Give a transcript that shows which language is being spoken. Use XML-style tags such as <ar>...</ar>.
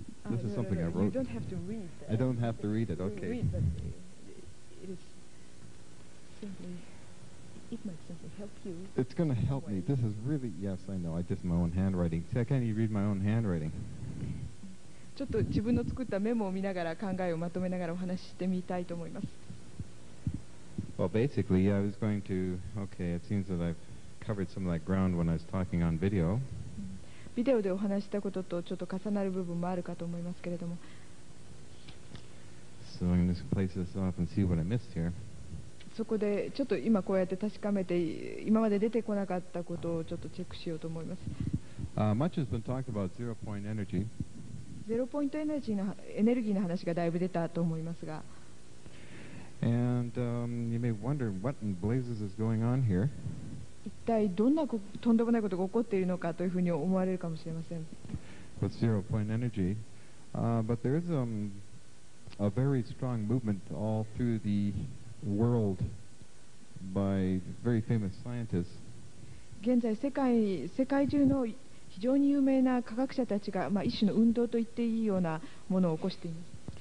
<en>This is something I wrote. You don't have to read that. I don't have to read it, okay. Read, but it is simply, it might simply help you. It's going to help me. This is really, yes, I know. I just my own handwriting. See, I can't even read my own handwriting.</en> <ja>ちょっと自分の作ったメモを見ながら考えをまとめながらお話ししてみたいと思います。</ja> <en>Well, basically, I was going to, okay, it seems that I've covered some of that ground when I was talking on video.</en> <ja>ビデオでお話したこととちょっと重なる部分もあるかと思いますけれども。</ja> <en>So I'm just place this off and see what I missed here.</en> <ja>そこでちょっと今こうやって確かめて今まで出てこなかったことをちょっとチェックしようと思います。</ja> <en>Much has been talked about zero point energy.</en> <ja>ゼロポイントエネルギーのエネルギーの話がだいぶ出たと思いますが。</ja> <en>And you may wonder what in blazes is going on here.</en> <ja>一体どんなとんでもないことが起こっているのかというふうに思われるかもしれません。</ja> <en>With zero point energy, but there is a very strong movement all through the world by very famous scientists.</en> <ja>現在世界中の非常に有名な科学者たちが、まあ、一種の運動と言っていいようなものを起こしています。</ja>